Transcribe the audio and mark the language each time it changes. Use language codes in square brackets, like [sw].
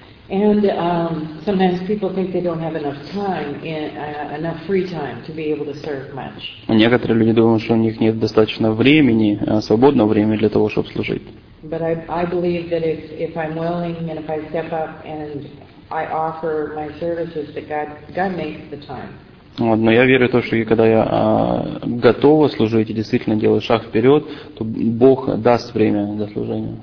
[en] And sometimes people think they don't have enough time, enough free time to be able to serve much. [ru] Некоторые люди думают, что у них нет достаточно времени, свободного времени для того, чтобы служить. [en] But I believe that if I'm willing and if I step up and I offer my services that God makes the time. [ru] Но я верю в то, что когда я готова служить и действительно делаю шаг вперед, то Бог даст время для служения.